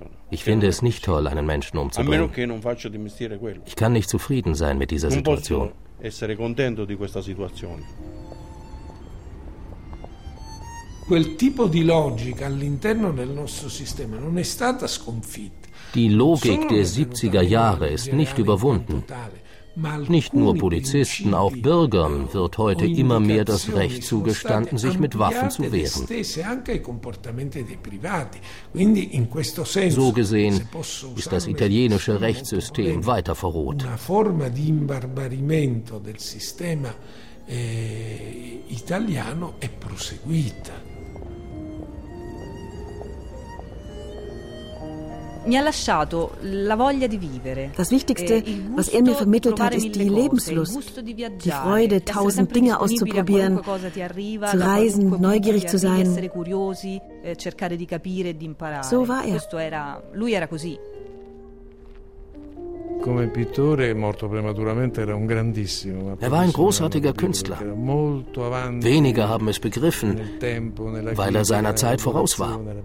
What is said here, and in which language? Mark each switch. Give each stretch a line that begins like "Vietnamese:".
German: Ich finde es nicht toll, einen Menschen umzubringen. Ich kann nicht zufrieden sein mit dieser Situation.
Italian: Essere contento di questa situazione. Quel tipo di logica all'interno del nostro sistema non è stata sconfitta.
German: Die Logik der 70er Jahre ist nicht überwunden. Nicht nur Polizisten, auch Bürgern wird heute immer mehr das Recht zugestanden, sich mit Waffen zu wehren. So gesehen ist das italienische Rechtssystem weiter verroht.
Italian: Una forma di imbarbarimento del sistema italiano è proseguita. Mi ha lasciato la voglia di vivere.
German: Das Wichtigste, was er mir vermittelt hat, ist die Lebenslust, die Freude, tausend Dinge auszuprobieren, zu reisen, neugierig zu sein. So war er.
Italian: Lui era così. Come pittore morto prematuramente era un grandissimo.
German: Er war ein großartiger Künstler. Wenige haben es begriffen, weil er seiner Zeit voraus war.